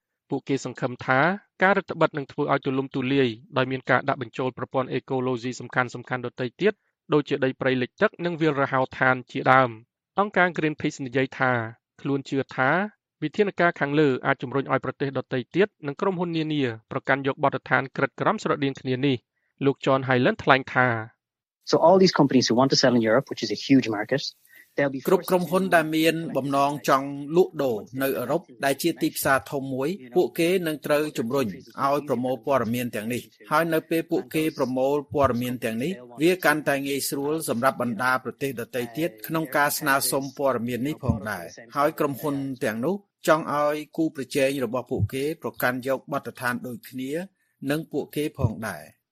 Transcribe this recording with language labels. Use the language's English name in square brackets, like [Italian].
[Khmer] ពួកគេសង្ឃឹមថាការរឹតបន្តឹងនឹងធ្វើឲ្យទូលំទូលាយដោយមានការដាក់បញ្ចូលប្រព័ន្ធអេកូឡូស៊ីសំខាន់ៗដទៃទៀតដូចជាដីព្រៃលិចទឹកនិងវាលរហោឋានជាដើមអង្គការ Greenpeace និយាយថាខ្លួនជឿថាវិធានការខាងលើអាចជំរុញឲ្យប្រទេសដទៃទៀតនិងក្រុមហ៊ុននានាប្រកាន់យកបទដ្ឋានក្រិតក្រមស្រដៀងគ្នានេះលោក John Highland ថ្លែងថា [English] So all these companies who want to sell in Europe which is a huge market they'll be [Khmer] គ្រប់ក្រុមហ៊ុនដែលមានបំណងចង់លក់ដូរនៅអឺរ៉ុបដែលជាទីផ្សារធំមួយពួកគេនឹងត្រូវជំរុញឲ្យប្រមូលព័ត៌មានទាំងនេះហើយនៅពេលពួកគេប្រមូលព័ត៌មានទាំងនេះវាកាន់តែងាយស្រួលសម្រាប់បណ្ដាប្រទេសដទៃទៀតក្នុងការស្នើសុំព័ត៌មាននេះផងដែរហើយក្រុមហ៊ុនទាំងនោះចង់ឲ្យគូប្រជែងរបស់ពួកគេប្រកាន់យកបទដ្ឋានដូចគ្នានឹងពួកគេផងដែរ